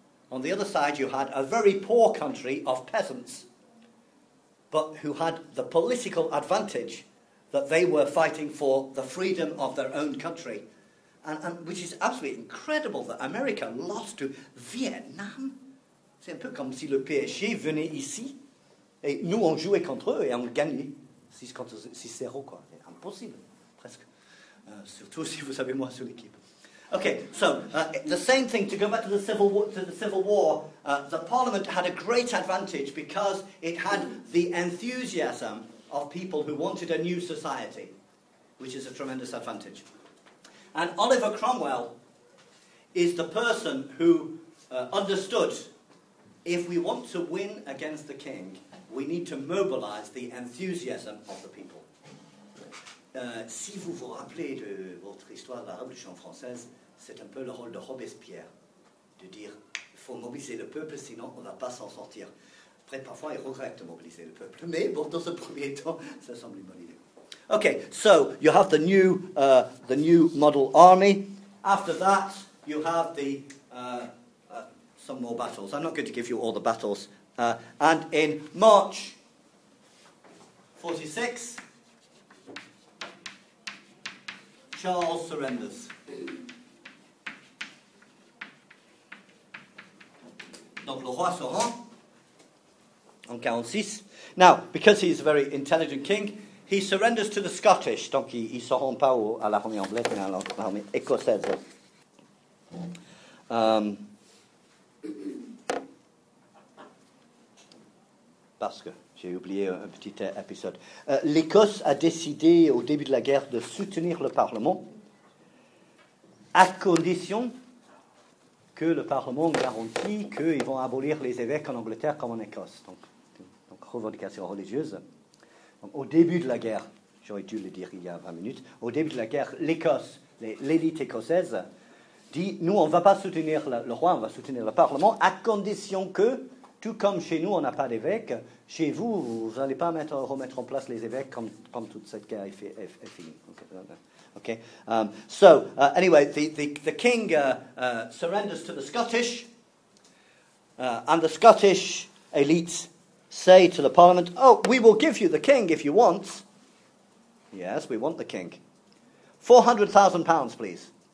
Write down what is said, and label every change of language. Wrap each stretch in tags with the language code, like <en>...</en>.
<en>On the other side, you had a very poor country of peasants, but who had the political advantage that they were fighting for the freedom of their own country, and which is absolutely incredible that America lost to Vietnam.</en> <fr>C'est un peu comme si le PSG venait ici, et nous on jouait contre eux et on gagnait 6-0, quoi. C'est impossible, presque. Surtout si vous savez moi sur l'équipe.</fr> <en>Okay, so the same thing, to go back to the Civil War, the Parliament had a great advantage because it had the enthusiasm of people who wanted a new society, which is a tremendous advantage. And Oliver Cromwell is the person who understood if we want to win against the king, we need to mobilize the enthusiasm of the people.</en> <fr>Si vous vous rappelez de votre histoire de la Révolution française, c'est un peu le rôle de Robespierre, de dire, il faut mobiliser le peuple, sinon on ne va pas s'en sortir. Après, parfois, il regrette de mobiliser le peuple. Mais bon, dans ce premier temps, ça semble une bonne idée.</fr> <en>Okay, so you have the new model army. After that, you have the some more battles. I'm not going to give you all the battles. And in March 46, Charles surrenders.</en> <fr>Donc le roi se rend en 46.</fr> <en>Now, because he is a very intelligent king, he surrenders to the Scottish.</en> <fr>Donc il se rend pas à l'armée anglaise, mais à l'armée écossaise. Parce que j'ai oublié un petit épisode. L'Écosse a décidé au début de la guerre de soutenir le Parlement à condition que le Parlement garantit qu'ils vont abolir les évêques en Angleterre comme en Écosse. Donc revendication religieuse. Donc, au début de la guerre, j'aurais dû le dire il y a 20 minutes, au début de la guerre, l'Écosse, l'élite écossaise, dit, nous, on ne va pas soutenir le roi, on va soutenir le Parlement, à condition que, tout comme chez nous, on n'a pas d'évêques, chez vous, vous n'allez pas remettre en place les évêques comme toute cette guerre est finie.</fr> <en>Okay. The king surrenders to the Scottish, and the Scottish elite say to the Parliament, oh, we will give you the king if you want. Yes, we want the king. £400,000, please.</en>